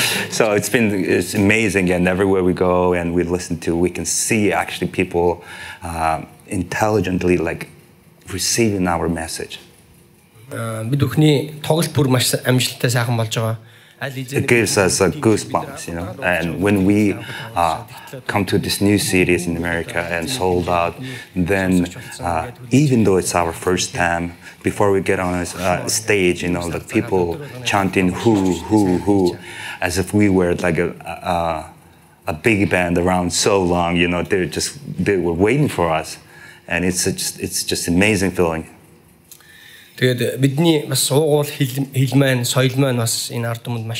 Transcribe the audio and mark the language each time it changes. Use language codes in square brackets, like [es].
[en] So it's amazing, and everywhere we go and we listen to, we can see actually people intelligently like receiving our message. [mn] Бид бүхний тоглолт бүр маш амжилттай сайхан болж байгаа. [en] It gives us a goosebumps, you know, and when we come to this new cities in America and sold out, then even though it's our first time, before we get on a stage, you know, the people chanting who, as if we were like a big band around so long, you know, they were waiting for us, and it's just amazing feeling. [mn] Тэгээд бидний бас уугуул хэл маань соёл маань бас энэ ард өмд маш